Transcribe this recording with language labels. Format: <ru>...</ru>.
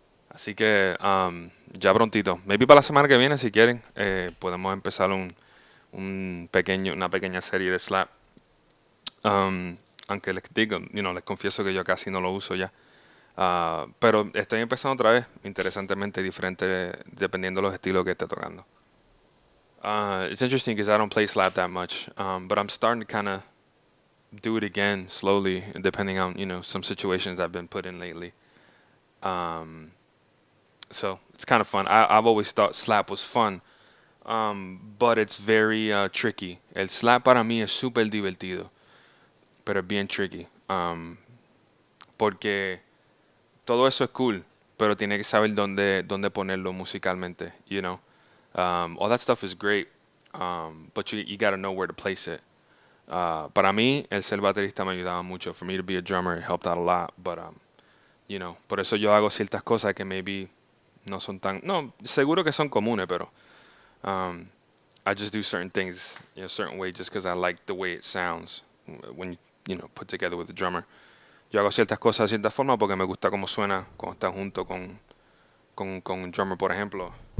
<es>Así que ya prontito, maybe para la semana que viene si quieren, podemos empezar una pequeña serie de slap. Aunque les digo, les confieso que yo casi no lo uso ya. Pero estoy empezando otra vez, interesantemente diferente dependiendo de los estilos que esté tocando.</es> <en>It's interesting because I don't play slap that much, but I'm starting to kind of do it again slowly, depending on, some situations I've been put in lately. So it's kind of fun. I've always thought slap was fun, but it's very tricky.</en> <es>El slap para mí es súper divertido, pero es bien tricky. Porque todo eso es cool, pero tiene que saber dónde ponerlo musicalmente,</es> <en>all that stuff is great, but you gotta know where to place it.</en> <es>Para mí, el ser baterista me ayudaba mucho.</es> <en>For me to be a drummer, it helped out a lot, but,</en> <es>por eso yo hago ciertas cosas que maybe. No son tan. No, seguro que son comunes, pero.</es> <en>I just do certain things in a certain way just because I like the way it sounds. When put together with the drummer.</en> <es>Yo hago ciertas cosas de cierta forma porque me gusta cómo suena cuando están junto con un drummer, por ejemplo.</es>